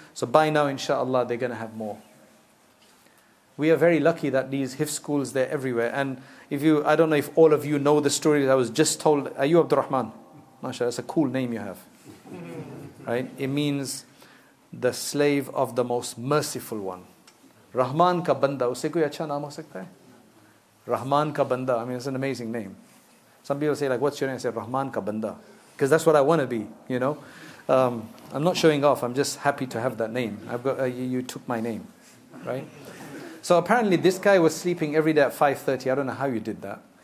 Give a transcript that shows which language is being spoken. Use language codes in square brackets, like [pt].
[en] So by now, inshallah, they're going to have more. We are very lucky that these Hifz schools, they're everywhere. And if you, I don't know if all of you know the story that I was just told. Are you Abdur-Rahman? MashaAllah, that's a cool name you have. Right? It means the slave of the most merciful one. [ur] رحمان کا بندہ۔ اس سے کوئی اچھا نام ہو سکتا ہے؟ رحمان کا بندہ۔ [en] I mean, it's an amazing name. Some people say, like, what's your name? I say, [ur] Rahman ka banda. [en] Because that's what I want to be, you know. I'm not showing off. I'm just happy to have that name. I've got you took my name, right? So apparently this guy was sleeping every day at 5:30. I don't know how you did that.